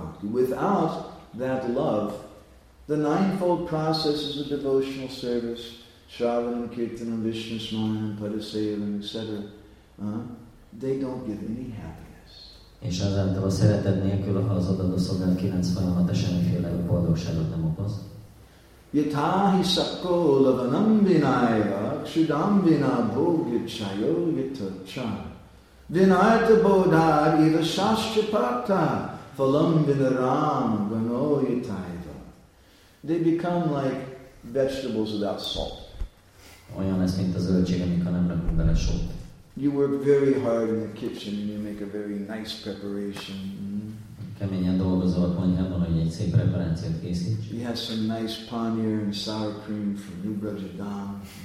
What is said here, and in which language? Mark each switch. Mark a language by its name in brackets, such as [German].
[English] Without that love, the ninefold processes of devotional service, Shravanam, Kirtanam, Vishnu Smaranam, Padasevanam, etc., they don't give any happiness. [Hungarian] És azáltal a szeretet nélkül, ha az adott szolgálat 9 folyamata semmiféle boldogságot nem okoz. [Sanskrit] Yathā hi sakko lavanam vināyava kṣudam vinā bhogicchayo yatacchā Vinayata bodhar eva shastra pakta phalam vinaram gano yataiva. [English] They become like vegetables without salt. [Hungarian] Olyan lesz, mint a zöldség, amikor nem rakunk bele sót. [English] You work very hard in the kitchen and you make a very nice preparation. [Hungarian] Keményen dolgozol a konyhában, hogy egy szép preparációt készíts. [English] You have some nice paneer and sour cream from New Brajadam.